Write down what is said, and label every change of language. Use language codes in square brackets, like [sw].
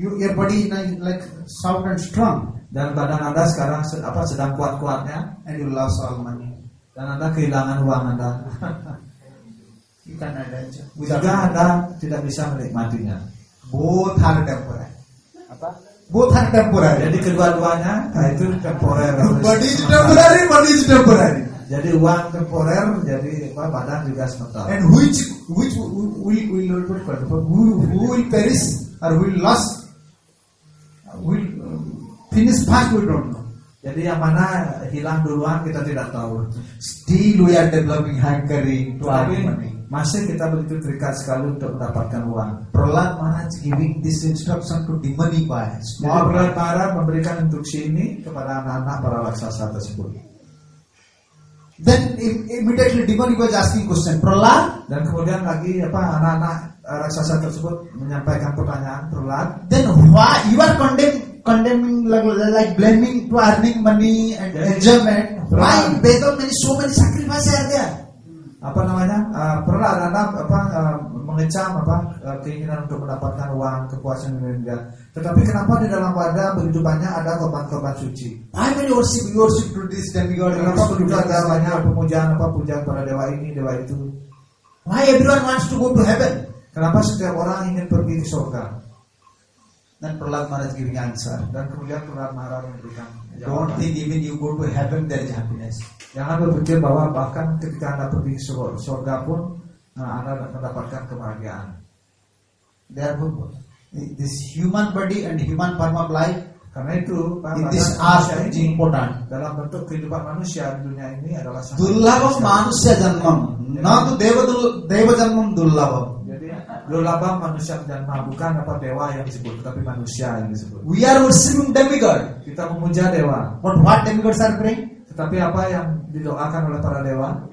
[en] Your body like soft and strong. [id] Dan badan Anda sekarang apa sedang kuat-kuatnya. [en] And you lost all money. [id] Dan Anda kehilangan uang Anda. Juga Anda tidak bisa menikmatinya. [en] Both are temporary. [id] Apa? [en] Both are temporary. [id] Jadi kedua-duanya itu temporer. [en] Body is temporary, body is temporary. [id] Jadi uang temporer, jadi badan juga sementara. [en] And which will not put for who will perish or will lost will finish fast, we don't know. [id] Jadi yang mana hilang duluan kita tidak tahu. [en] Still we are developing hankering to earn money. [id] Masih kita begitu terikat sekali untuk mendapatkan uang. [en] Prahlad Maharaj giving this instruction to the money boy. [id] Prahlad Maharaj memberikan instruksi ini kepada anak-anak para raksasa tersebut. [en] Then immediately demon was asking question. Prahlad. [id] Dan kemudian lagi apa anak-anak raksasa tersebut menyampaikan pertanyaan Prahlad. [en] Then why you are condemning like blaming to earning money and enjoyment. Why betul many so many sacrifice are there? [id] Apa namanya? Prahlad Anda apa mengecam apa keinginan untuk mendapatkan uang, kekuasaan dan lain-lain. Tetapi kenapa di dalam wadah begitu banyak ada korban-korban suci? [en] Why many worship to this demigod? [id] Kenapa begitu ada banyak pemujaan apa pujaan pada dewa ini, dewa itu? [en] Why everyone wants to go to heaven? [id] Kenapa setiap orang ingin pergi ke surga? Dan [en] Prahlad Maharaj giving answer. [id] Dan kemudian Prahlad Maharaj memberikan jawaban. [en] Don't think even you go to heaven there is happiness. [id] Jangan berpikir bahwa bahkan ketika Anda pergi ke surga pun Anda mendapatkan kebahagiaan. [en] Therefore, this human body and human form of life, [id] karena itu [en] in this earth is important. [id] Dalam bentuk kehidupan manusia di dunia ini adalah [sa] dullabam manusia janmam, [en] not [sa] deva janmam dullabam. Dulabang manusia janma, [id] bukan apa dewa yang disebut, tapi manusia yang disebut. [en] We are worshiping demigod. [id] Kita memuja dewa. [en] But what demigods are praying? [id] Tetapi apa yang didoakan oleh para dewa?